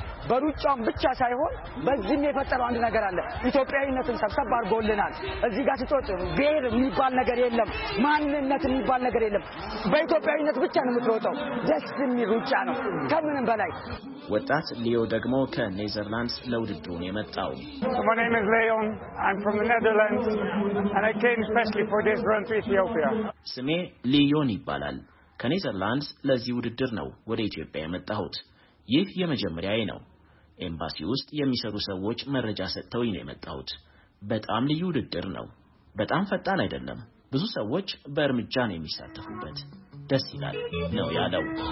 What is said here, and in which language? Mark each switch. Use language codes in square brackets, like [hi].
[am] በሩጫም ብቻ ሳይሆን በዚህም የፈጠረው አንድ ነገር አለ። ኢትዮጵያዊነትን ሰብሰብ አድርጎልናል። እዚህ ጋር ስትወጡ ብሔር የሚባል ነገር የለም፣ ማንነት የሚባል ነገር የለም። በኢትዮጵያዊነት ብቻ ነው የምትሮጠው። ደስ የሚል ሩጫ ነው ከምንም በላይ። ወጣት ሊዮ ደግሞ ከኔዘርላንድስ ለውድድሩ ነው የመጣው። [en] My name is Leon. I'm from the Netherlands and I came especially for this run to Ethiopia. [am] ስሜ ሊዮን ይባላል። ከኔዘርላንድስ ለዚህ ውድድር ነው ወደ ኢትዮጵያ የመጣሁት። ይህ የመጀመሪያዬ ነው። ኤምባሲ ውስጥ የሚሰሩ ሰዎች መረጃ ሰጥተውኝ ነው የመጣሁት። በጣም ልዩ ውድድር ነው። በጣም ፈጣን አይደለም። ብዙ ሰዎች በእርምጃ ነው የሚሳተፉበት። ደስ ይላል ነው ያለው።